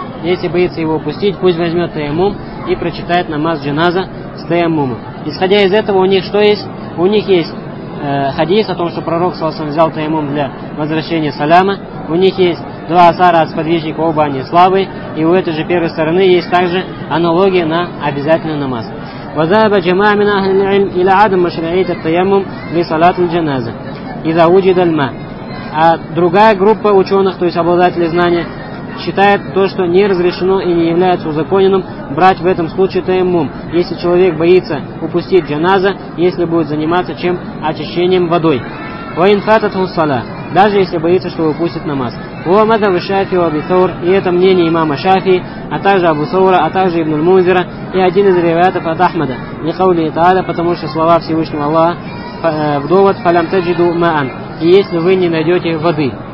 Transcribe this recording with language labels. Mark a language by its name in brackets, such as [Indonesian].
[Russian] Если боится его упустить, пусть возьмет таяммум и прочитает намаз джаназа с таяммумом. Исходя из этого, у них что есть? У них есть хадис о том, что пророк саллаллаху алейхи ва саллям взял таяммум для возвращения саляма. У них есть два асара от сподвижника, оба они слабые. И у этой же первой стороны есть также аналогия на обязательный намаз. [Arabic] وذهب جماعة من أهل العلم إلى عدم مشروعية التيمم لصلاة الجنازة إذا وجد الماء. [Russian] А другая группа ученых, то есть обладателей знания, считает то, что не разрешено и не является узаконенным брать в этом случае таймум, если человек боится упустить джаназа, если будет заниматься чем? Очищением водой. [Arabic] وإن فاتته الصلاة. [Russian] Даже если боится, что упустит намаз. Уамада в Шафи у Абисаур, и это мнение имама Шафии, а также Абусаура, а также ибн аль-Мунзира, и один из ривайатов от Ахмада, лихаули тааля, потому что слова Всевышнего Аллаха в довод фалям таджиду маан, и если вы не найдете воды.